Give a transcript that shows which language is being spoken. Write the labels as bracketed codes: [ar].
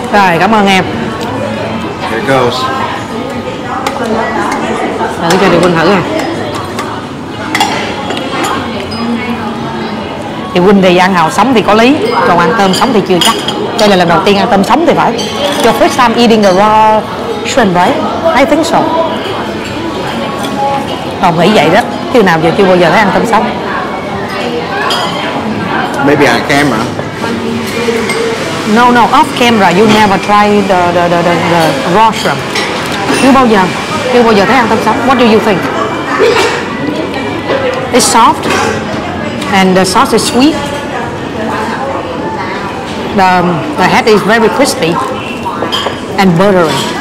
[vi] Rồi, cảm ơn em. [en] Here goes. [vi] Thử cho Điều Quynh thử nè. Điều Quynh thì ăn hào sống thì có lý, còn ăn tôm sống thì chưa chắc. Đây là lần đầu tiên ăn tôm sống thì phải. [en] Your first time eating a raw shrimp, right? I think so. [vi] Còn nghĩ vậy đó. Chưa nào giờ chưa bao giờ thấy ăn tôm sống. [en] Maybe on camera. No, no, off camera you never try the raw shrimp. [vi] Chưa bao giờ thấy ăn tôm sống. [en] What do you think? It's soft and the sauce is sweet. The head is very crispy and buttery.